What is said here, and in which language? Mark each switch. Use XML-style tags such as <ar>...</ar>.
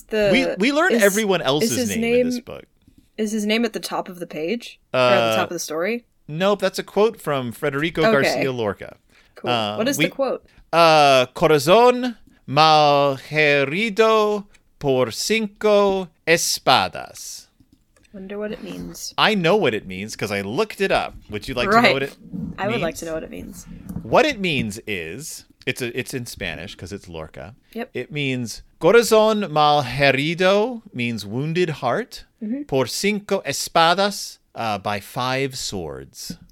<en>We learn everyone else's name in this book. Is his name at the top of the page? Or at the top of the story? Nope, that's a quote from Federico Garcia Lorca. Cool. What is the quote?</en> <es>Corazón mal herido por cinco espadas.</es> <en>Wonder what it means. I know what it means because I looked it up. Would you like to know what it means? I would like to know what it means. What it means is... It's in Spanish because it's Lorca. Yep. It means</en> <es>corazón mal herido,</es> <en>means wounded heart. Mm-hmm.</en> <es>Por cinco espadas,</es> <en>by five swords.</en>